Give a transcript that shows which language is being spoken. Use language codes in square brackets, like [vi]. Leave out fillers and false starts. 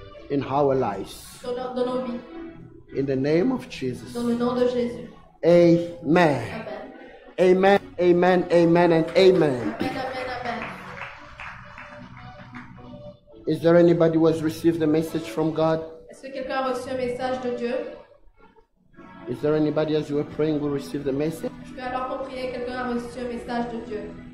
[en] In our lives. [fr] Dans nos vies. [en] In the name of Jesus. [fr] Dans le nom de Jésus. Amen. Amen. Amen. Amen. And amen. Amen. Amen. [en] Is there anybody who has received a message from God? [fr] Est-ce que quelqu'un a reçu un message de Dieu? [en] Is there anybody as you were praying who received the message? [fr] Je peux alors qu'on priait, quelqu'un a reçu un message de Dieu.